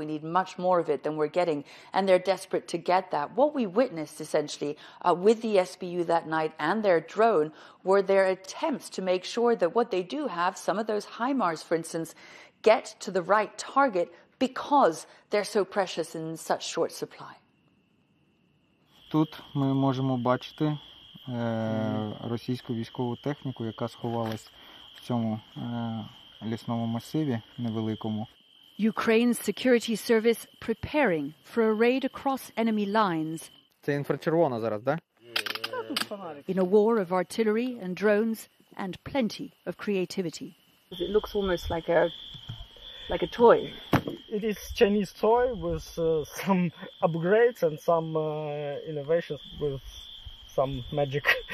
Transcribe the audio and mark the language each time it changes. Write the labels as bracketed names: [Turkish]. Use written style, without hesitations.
[English] We need much more of it than we're getting. And they're desperate to get that. What we witnessed, essentially, with the SBU that night and their drone were their attempts to make sure that what they do have, some of those HIMARS, for instance, get to the right target because they're so precious in such short supply. [Ukrainian] Тут ми можемо бачити російську військову техніку, яка сховалась в цьому лісному масиві невеликому. [English] Ukraine's security service preparing for a raid across enemy lines. [Ukrainian] Це інфрачервона зараз, да? [English] In a war of artillery and drones and plenty of creativity. It looks almost like a toy. It is Chinese toy with some upgrades and some innovations with some magic.